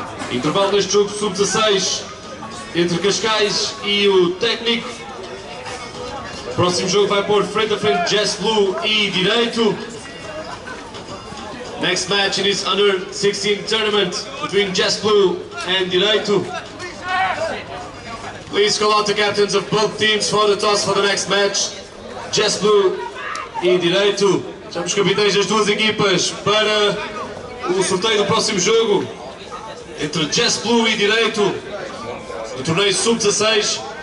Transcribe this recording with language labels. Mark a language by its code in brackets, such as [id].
[pt] Intervalo deste jogo sub-16 entre Cascais e o Técnico. Próximo jogo vai pôr frente a frente Jazz Blue e Direito. [en] Next match in this under 16 tournament between Jazz Blue and Direito. Please call out the captains of both teams for the toss for the next match. [pt] Jazz Blue e Direito. Somos capitães das duas equipas para o sorteio do próximo jogo. Entre Jazz Blue e Direito, no torneio sub-16.